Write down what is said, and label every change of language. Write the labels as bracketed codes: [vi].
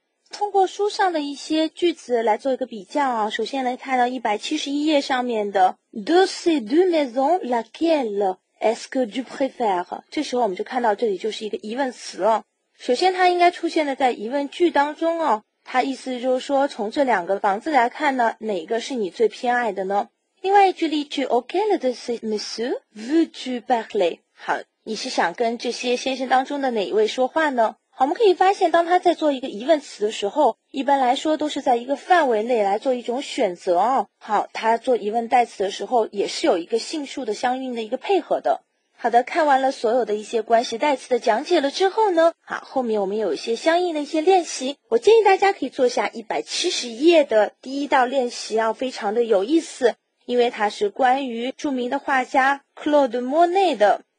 [zh] 通过书上的一些句子来做一个比较啊，首先来看到171页上面的 [fr] De ces deux maisons lequel est-ce que tu préfères？ [zh] 这时候我们就看到这里就是一个疑问词了。首先它应该出现的在疑问句当中哦。他意思就是说，从这两个房子来看呢，哪个是你最偏爱的呢？另外一句例句 [fr] ，Auquel de ces messieurs veux-tu parler？ [zh] 好，你是想跟这些先生当中的哪一位说话呢？好，我们可以发现，当他在做一个疑问词的时候，一般来说都是在一个范围内来做一种选择哦。好，他做疑问代词的时候，也是有一个性数的相应的一个配合的。好的，看完了所有的一些关系代词的讲解了之后呢，好，后面我们有一些相应的一些练习，我建议大家可以做下170页的第一道练习啊，非常的有意思，因为它是关于著名的画家 Claude Monet 的。